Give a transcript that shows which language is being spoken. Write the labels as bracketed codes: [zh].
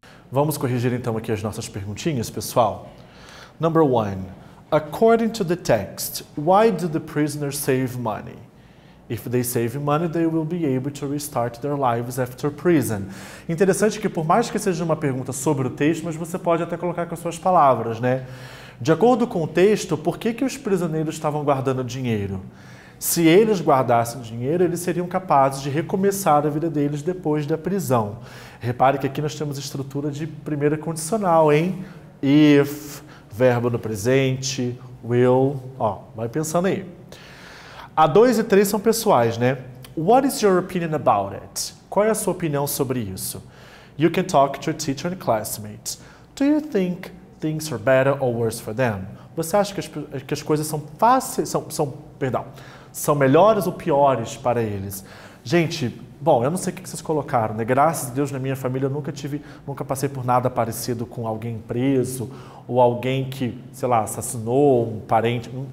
[pt] Vamos corrigir então aqui as nossas perguntinhas, pessoal. [en] Number one, according to the text, why do the prisoners save money? If they save money, they will be able to restart their lives after prison. [pt] Interessante que por mais que seja uma pergunta sobre o texto, mas você pode até colocar com as suas palavras, né? De acordo com o texto, por que que os prisioneiros estavam guardando dinheiro? Se eles guardassem dinheiro, eles seriam capazes de recomeçar a vida deles depois da prisão. Repare que aqui nós temos estrutura de primeira condicional, hein? If, verbo no presente, will, ó, vai pensando aí. A 2 e 3 são pessoais, né? [en] What is your opinion about it? [pt] Qual é a sua opinião sobre isso? [en] You can talk to your teacher and classmates. Do you think things are better or worse for them? [pt] Você acha que as coisas são fáceis, são melhores ou piores para eles? Gente, bom, eu não sei o que vocês colocaram, né? Graças a Deus, na minha família, eu nunca passei por nada parecido com alguém preso ou alguém que, sei lá, assassinou um parente.